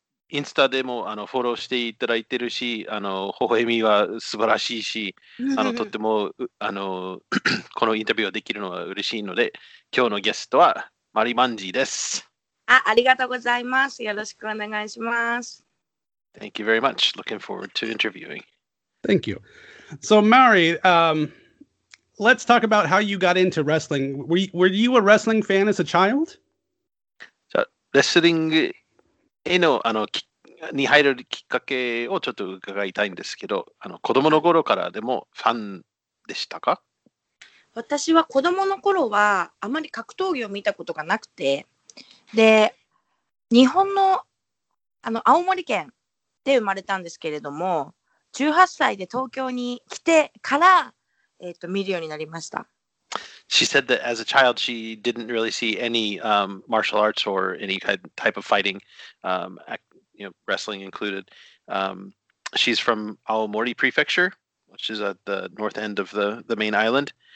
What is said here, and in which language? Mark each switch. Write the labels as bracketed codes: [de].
[ja] インスタでもフォローしていただいてるし、微笑みは素晴らしいし、とってもこのインタビューをできるのは嬉しいので、今日のゲストはマリマンジーです。ありがとうございます。よろしくお願いします。 [en] Thank you very much. Looking forward to interviewing. Thank you. So, Mari, let's talk about how you got into wrestling. Were you a wrestling fan as a child? So, wrestling... [ja] のに入るきっかけをちょっと伺いたいんですけど、子供の頃からでもファンでしたか？私は子供の頃はあまり格闘技を見たことがなくて、で、日本の青森県で生まれたんですけれども、18歳で東京に来てから、見るようになりました。 [en] She said that as a child, she didn't really see any martial arts or any type of fighting, wrestling included. She's from Aomori Prefecture, which is at the north end of the main island.